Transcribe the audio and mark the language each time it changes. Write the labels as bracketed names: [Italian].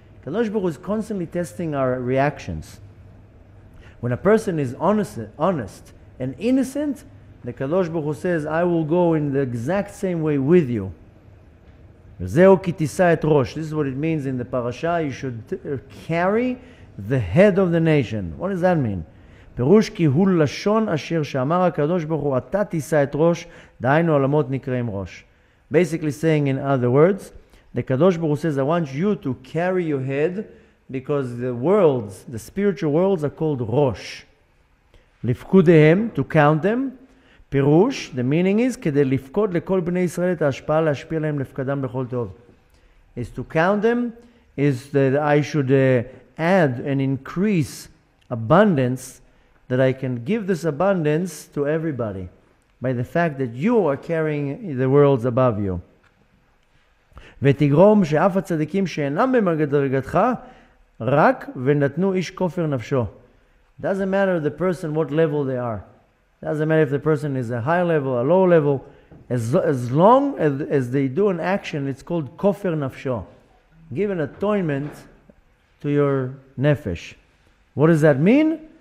[English] Kadosh Baruch Hu is constantly testing our reactions. When a person is honest and innocent, the Kadosh Baruch Hu says, I will go in the exact same way with you. [Hebrew] וזהו כי תישא את ראש. [English] This is what it means in the parasha. You should carry the head of the nation. What does that mean? [Hebrew] פירוש כי הוא לשון אשר שאמר הקדוש ברוך הוא, אתה תישא את ראש, דהיינו עולמות נקראים ראש. [English] Basically saying in other words, the Kadosh Baruch says, I want you to carry your head because the worlds, the spiritual worlds are called ראש. [Hebrew] לפקודיהם, [English] to count them. [Hebrew] פירוש, [English] the meaning is, [Hebrew] כדי לפקוד לכל בני ישראל את ההשפעה להשפיע להם לפקדם בכל טוב. [English] Is to count them, is that I should add and increase abundance, that I can give this abundance to everybody, by the fact that you are carrying the worlds above you. [Hebrew] ותגרום שאף הצדיקים שאינם במדרגתך, רק ונתנו איש כופר נפשו. [English] Doesn't matter the person what level they are. Doesn't matter if the person is a high level, a low level. As long as they do an action, it's called kofer nafsho. Give an atonement to your nefesh. What does that mean?